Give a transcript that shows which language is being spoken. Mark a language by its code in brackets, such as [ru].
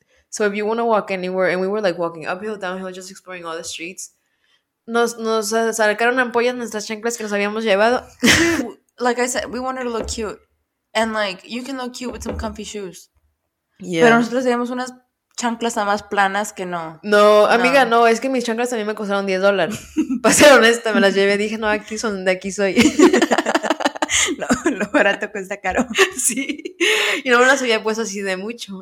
[en] So if you want to walk anywhere, and we were like walking uphill, downhill, just exploring all the streets. [es] Nos sacaron ampollas nuestras chanclas que nos habíamos llevado. [en] Like I said, we wanted to look cute. And like, you can look cute with some comfy shoes. Yeah. [es] Pero nosotros teníamos unas chanclas a más planas que no. No, amiga, no. Es que mis chanclas a mí me costaron $10. Para ser honesta, me las llevé. Dije, no, aquí son de aquí soy. Lo barato cuesta caro. Sí. Y no me las había puesto así de mucho.